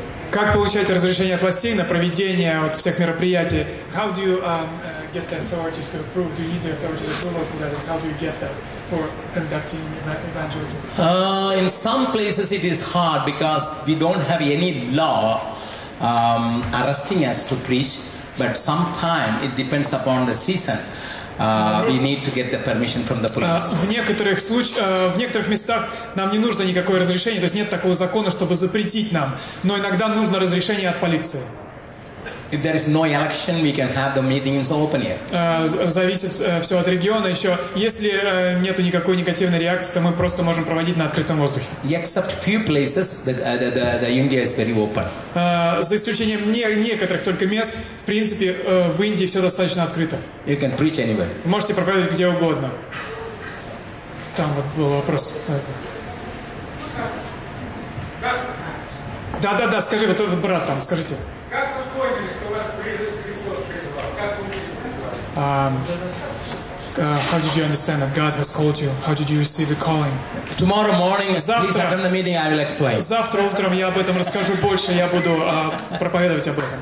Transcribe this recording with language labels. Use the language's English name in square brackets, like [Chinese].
[Russian] Как получать разрешение от властей на проведение вот всех мероприятий? [English] How do you get the authorities to approve? Do you need the authorities to approve for that? How do you get that for conducting evangelism? In some places it is hard because we don't have any law arresting us to preach. But sometimes it depends upon the season. We need to get the permission from the police. [Russian] В некоторых местах нам не нужно никакое разрешение, то есть нет такого закона, чтобы запретить нам. Но иногда нужно разрешение от полиции. [English] If there is no election, we can have the meetings open here. [Russian] Зависит все от региона. Еще если нету никакой негативной реакции, то мы просто можем проводить на открытом воздухе. [English] Except few places, the India is very open. [Russian] За исключением некоторых только мест, в принципе, в Индии все достаточно открыто. [English] You can preach anywhere. [Russian] Вы можете проповедовать где угодно. Там вот был вопрос. Да, скажи, вот этот брат там, скажите. [English] How did you understand that God has called you? How did you receive the calling? Tomorrow morning, please attend the meeting. I will explain. [Russian] Завтра утром я об этом расскажу больше. Я буду проповедовать об этом.